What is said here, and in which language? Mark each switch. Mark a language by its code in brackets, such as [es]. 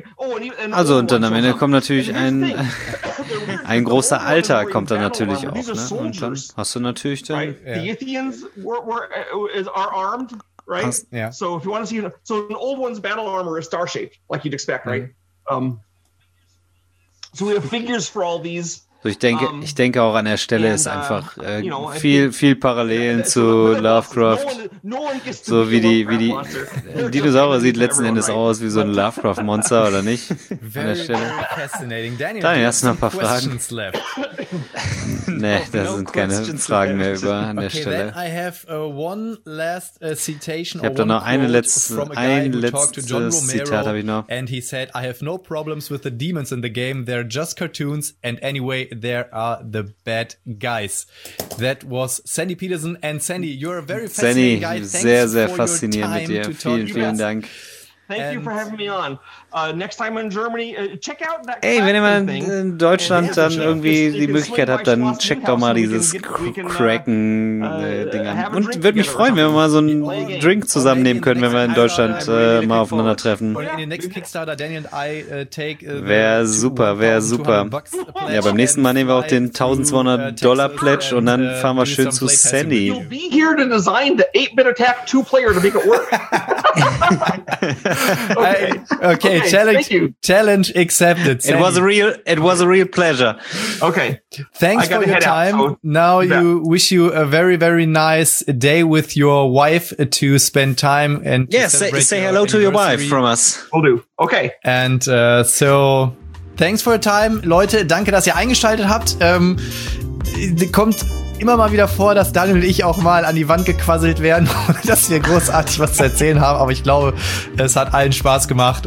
[de] also und dann am Ende kommt natürlich ein großer Alter kommt dann natürlich auch, ne? Und dann hast du natürlich dann [en] the Ithians are armed, right? Yeah. So if you want to see so an old one's battle armor is star shaped like you'd expect, right? So we have figures for all these. [de] So ich denke auch an der Stelle ist einfach viel Parallelen zu Lovecraft. So wie die Dinosaurier sieht letzten Endes aus wie so ein Lovecraft-Monster, oder nicht? An der Stelle. Daniel, hast du noch ein paar Fragen? Nee, da sind keine Fragen mehr über an der Stelle. Ich habe da noch ein letztes Zitat habe ich noch. [en] And he said, I have no problems with the demons in the game. They're just cartoons and anyway, there are the bad guys. That was Sandy Peterson. And Sandy, you're a very fascinating guy. [de] Thanks sehr, sehr faszinierend mit dir. Vielen, vielen Dank. [en] Thank you for having me on. Next time in Germany, check out that. [de] Ey, wenn ihr mal in Deutschland dann irgendwie die Möglichkeit habt, dann checkt doch mal dieses Kraken-Ding an. Und würde mich freuen, wenn wir mal so einen Drink zusammen nehmen können, wenn wir in Deutschland mal aufeinandertreffen. Wäre super. Ja, beim nächsten Mal nehmen wir auch den 1200-Dollar-Pledge und dann fahren wir schön zu Sandy. [en] You'll be here to design the 8-bit attack 2-player to make it work. Okay, challenge accepted. Sandy. It was a real pleasure. Okay. Thanks for your time. Wish you a very, very nice day with your wife to spend time and say hello to your wife from us. Will do. Okay. And so thanks for your time. [de] Leute, danke, dass ihr eingeschaltet habt. Kommt immer mal wieder vor, dass Daniel und ich auch mal an die Wand gequasselt werden, dass wir großartig was zu erzählen haben, aber ich glaube, es hat allen Spaß gemacht.